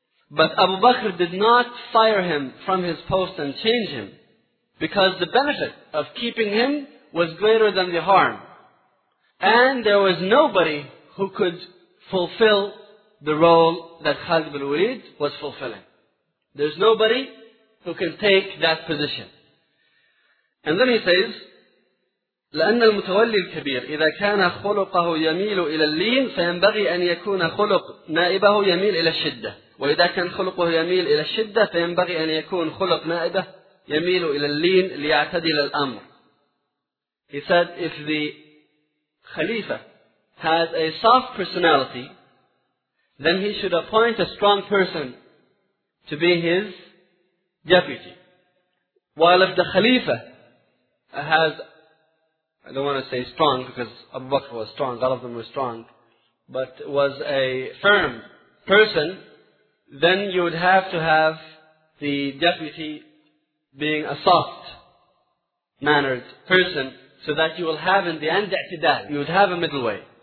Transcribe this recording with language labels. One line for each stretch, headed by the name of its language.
English: But Abu Bakr did not fire him from his post and change him, because the benefit of keeping him was greater than the harm. And there was nobody who could fulfill the role that Khalid ibn Walid was fulfilling. There's nobody who can take that position. And then he says,
Arabic: لأن المتولي الكبير إذا كان خلقه يميل إلى اللين فينبغي أن يكون خلق نائبه يميل إلى الشدة وإذا كان خلقه يميل إلى الشدة فينبغي أن يكون خلق نائبه يميل إلى اللين ليعتدل الأمر.
English: He said, if the Khalifa has a soft personality, then he should appoint a strong person to be his deputy. While if the Khalifa has, I don't want to say strong because Abu Bakr was strong, all of them were strong, but was a firm person, then you would have to have the deputy being a soft-mannered person so that you will have in the end i'tidal, you would have a middle way.